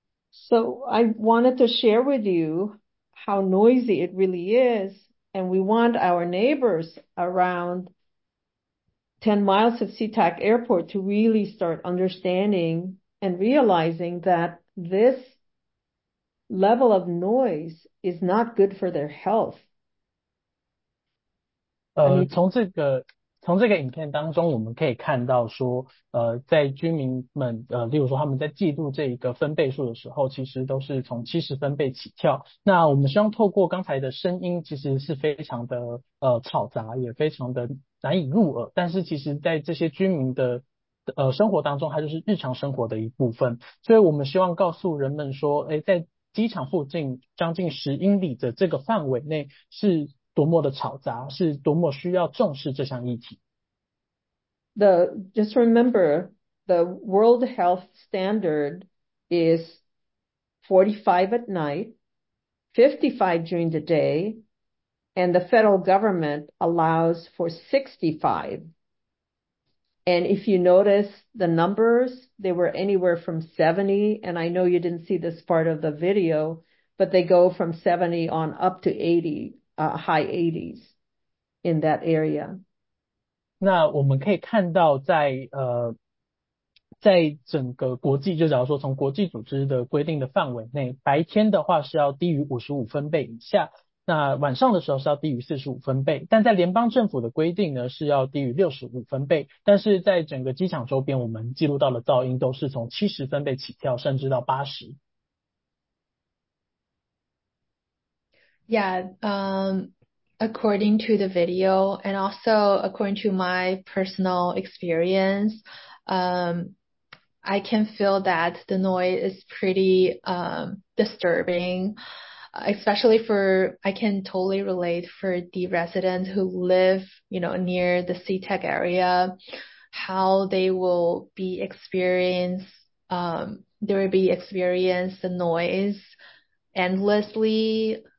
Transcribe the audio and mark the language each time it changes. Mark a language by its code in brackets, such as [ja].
[en] So I wanted to share with you how noisy it really is, and we want our neighbors around 10 miles of SeaTac Airport to really start understanding and realizing that this level of noise is not good for their health. [zh] 从这个从这个影片当中我们可以看到说在居民们例如说他们在记录这一个分贝数的时候，其实都是从70分贝起跳。那我们希望透过刚才的声音，其实是非常的吵杂，也非常的难以入耳，但是其实在这些居民的生活当中，它就是日常生活的一部分。所以我们希望告诉人们说，在机场附近将近10英里的这个范围内是多么的吵杂，是多么需要重视这项议题。 [en] Just remember, the World Health Standard is 45 at night, 55 during the day, and the federal government allows for 65. And if you notice the numbers, they were anywhere from 70, and I know you didn't see this part of the video, but they go from 70 on up to 80. High 80s in that area. [zh] 那我们可以看到在整个国际，就假如说从国际组织的规定的范围内，白天的话是要低于55分贝以下，那晚上的时候是要低于45分贝，但在联邦政府的规定呢是要低于65分贝，但是在整个机场周边我们记录到的噪音都是从70分贝起跳甚至到80。 [en] Yeah, according to the video and also according to my personal experience, I can feel that the noise is pretty disturbing, especially for, I can totally relate for the residents who live, you know, near the SeaTac area, how they will be experience the noise endlessly.